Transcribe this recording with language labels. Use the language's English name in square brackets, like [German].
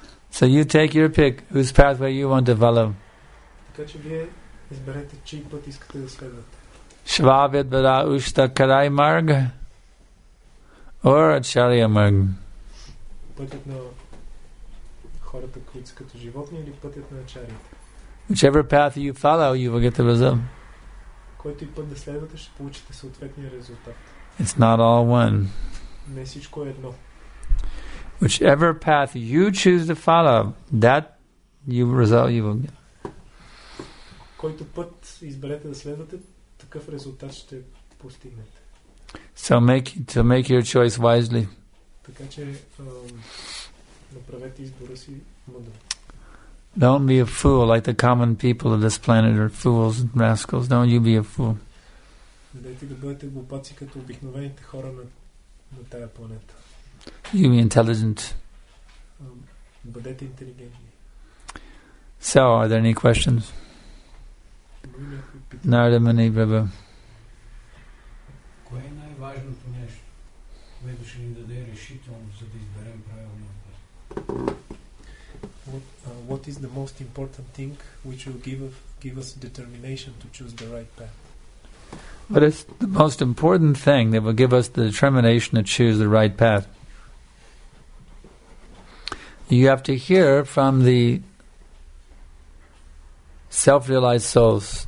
[English] So you take your pick, whose pathway you want to follow. [Bulgarian] изберете чий път искате да следвате. [Sanskrit] Швавят вода уща край марг ора чалия марг. [Bulgarian] Пътят на хората, които са като животни, или пътят на чарите. [English] Whichever path you follow, you will get the result. [Bulgarian] Който и път да следвате, ще получите съответния резултат. [English] It's not all one. [Bulgarian] Не всичко е едно. [English] Whichever path you choose to follow, that you result you will get. [Bulgarian] Който път изберете да следвате, такъв резултат ще постигнете. [English] So make your choice wisely. [Bulgarian] Така че направете избора си мъдро. [English] Don't be a fool like the common people of this planet are fools and rascals. Don't you be a fool. [Bulgarian] Дайте да бъдете глупаци като обикновените хора на тая планета. [English] You be intelligent. [Bulgarian] Бъдете интелигентни. [English] So, are there any questions? Narada Muni Prabhu. [Bulgarian] Кое е най-важното нещо, което ще ни даде решителност, за да изберем правилния път? [English] What is the most important thing which will give us determination to choose the right path? What is the most important thing that will give us the determination to choose the right path? You have to hear from the self-realized souls.